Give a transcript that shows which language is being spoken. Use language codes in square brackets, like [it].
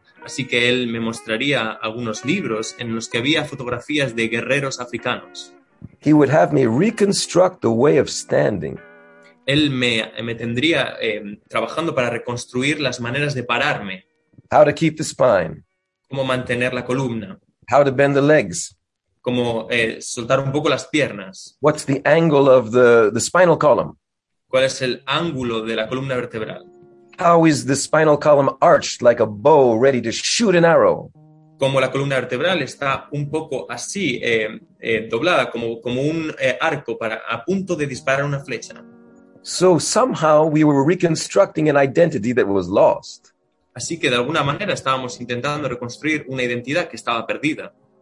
[es] Así que él me mostraría algunos libros en los que había fotografías de guerreros africanos. [en] He would have me reconstruct the way of standing. [es] Él me tendría trabajando para reconstruir las maneras de pararme. [en] How to keep the spine. [es] Cómo mantener la columna. [en] How to bend the legs. [es] Cómo soltar un poco las piernas. [en] What's the angle of the spinal column? [es] ¿Cuál es el ángulo de la columna vertebral? [en] How is the spinal column arched like a bow ready to shoot an arrow? [es] Como la columna vertebral está un poco así, doblada, como un arco para a punto de disparar una flecha. [en] So somehow we were reconstructing an identity that was lost. [es] Así que de alguna manera estábamos intentando reconstruir una identidad que estaba perdida.